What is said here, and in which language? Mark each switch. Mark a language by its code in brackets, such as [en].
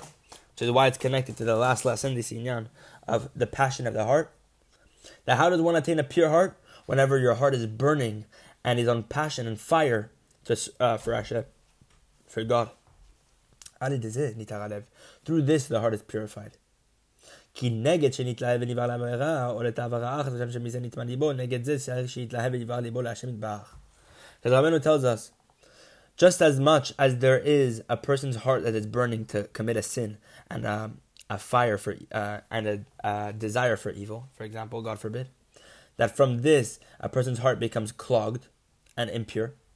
[en] Which is why it's connected to the last lesson, the sinyan, of the passion of the heart. Now, how does one attain a pure heart? Whenever your heart is burning and is on passion and fire for Hashem, for God. Through this, the heart is purified. [he] כי נגד שנתלהב וניבר לעברה, או לתאב הרעך, ושם שמזה נתמד ליבו, נגד זה שיח שיתלהב וניבר ליבו להשם יתבח. [en] So Rabbeinu tells us, just as much as there is a person's heart that is burning to commit a sin, and a fire for, and a desire for evil, for example, God forbid, that from this, a person's heart becomes clogged and impure.